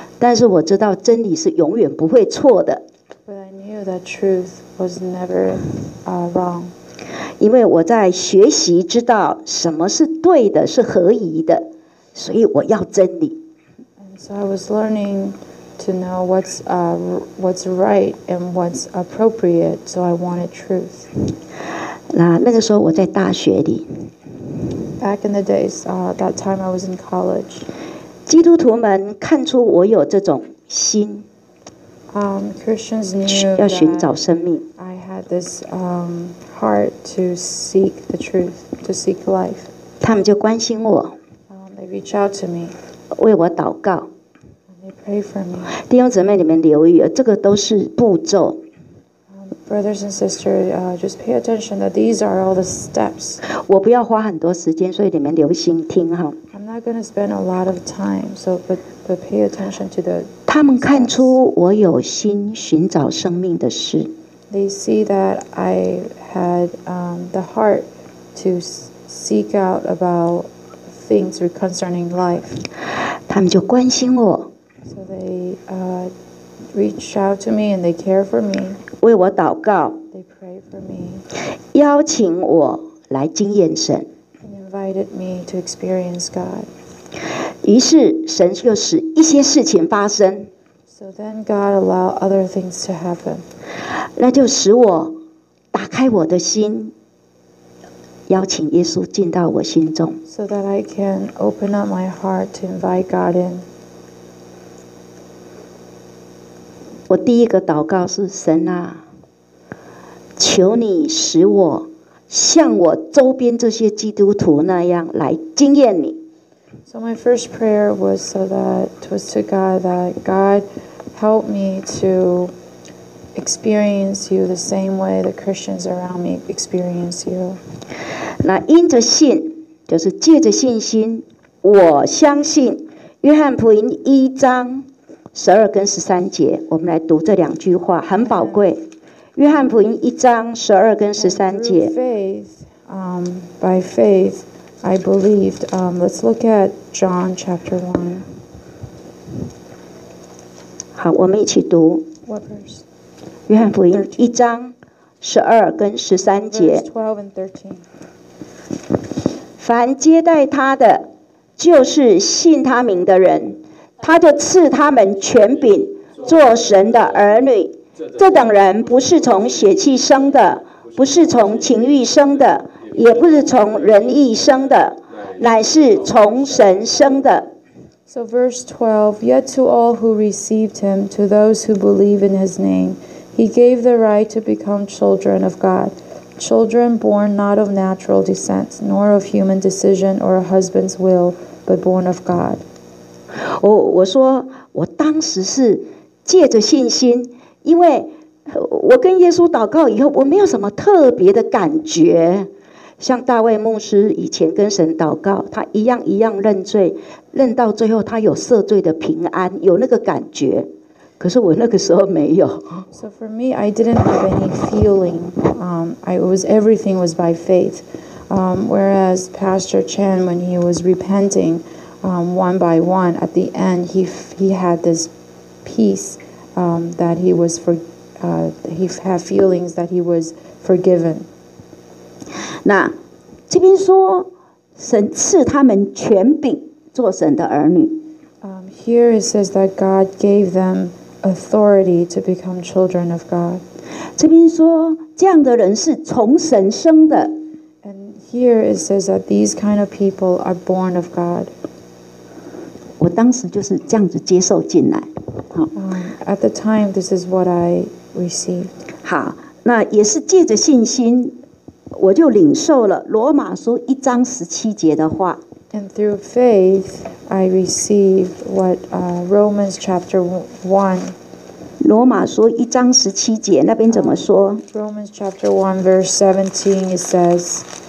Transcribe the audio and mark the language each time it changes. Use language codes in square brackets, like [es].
[zh] 但是我知道真理是永远不会错的。 [en] But I knew that truth was never wrong. [zh] 因为我在学习知道什么是对的，是合宜的，所以我要真理。 [en] And so I was learning. To know what's right and what's appropriate, so I wanted truth. [zh] 那个时候我在大学里。 [en] Back in the days, that time I was in college. [zh] 基督徒们看出我有这种心。 [en] Christians knew [zh] 要寻找生命。 [en] I had this heart to seek the truth, to seek life. [zh] 他们就关心我。 [en] They reach out to me. [zh] 为我祷告。 [en] Pray for me. [zh] 弟兄姊妹，你们留意，这个都是步骤。 [en] Brothers and sisters, just pay attention that these are all the steps. [zh] 我不要花很多时间，所以你们留心听哈。 [en] I'm not going to spend a lot of time, so but pay attention to the. [zh] 他们看出我有心寻找生命的事。 [en] They see that I had the heart to seek out about things concerning life. [zh] 他们就关心我。 [en] So they reach out to me and they care for me. [zh] 为我祷告。 [en] They pray for me. [zh] 邀请我来经验神。 [en] And invited me to experience God. [zh] 于是神就使一些事情发生。 [en] So then God allowed other things to happen. [zh] 那就使我打开我的心，邀请耶稣进到我心中。 [en] So that I can open up my heart to invite God in. [zh] 我第一个祷告是神啊，求你使我像我周边这些基督徒那样来经验你。 [en] So my first prayer was so that was to God that God help me to experience you the same way the Christians around me experience you. [zh] 那因着信，就是借着信心，我相信约翰福音一章十二跟十三节，我们来读这两句话，很宝贵。约翰福音一章十二跟十三节。 [en] Faith, by faith, I believed. Let's look at John chapter one. [zh] 好，我们一起读。 [en] What verse? [zh] 约翰福音一章十二跟十三节。 [en] Verse 12 and 13. [zh] 凡接待他的，就是信他名的人，他就赐他们权柄做神的儿女。这等人不是从血气生的，不是从情欲生的，也不是从人意生的，乃是从神生的。 [en] So verse 12, yet to all who received him, to those who believe in his name, he gave the right to become children of God, children born not of natural descent, nor of human decision or a husband's will, but born of God. [zh] 我说我当时是借着信心，因为我跟耶稣祷告以后，我没有什么特别的感觉。像大卫牧师以前跟神祷告，他一样一样认罪，认到最后他有赦罪的平安，有那个感觉。可是我那个时候没有。 [en] So for me, I didn't have any feeling. Everything was by faith. Whereas Pastor Chen, when he was repenting, one by one, at the end, he had this peace. That he was for, he had feelings that he was forgiven. [zh] 那这边说，神赐他们权柄做神的儿女。 [en] Here it says that God gave them authority to become children of God. [zh] 这边说，这样的人是从神生的。 [en] And here it says that these kind of people are born of God. [zh] 我当时就是这样子接受进来。 [en] At the time, this is what I received. [zh] 好，那也是借着信心，我就领受了罗马书一章十七节的话。 [en] And through faith, I received what Romans chapter one. [zh] 罗马书一章十七节那边怎么说 [en] ？Romans chapter one, verse 17, it says.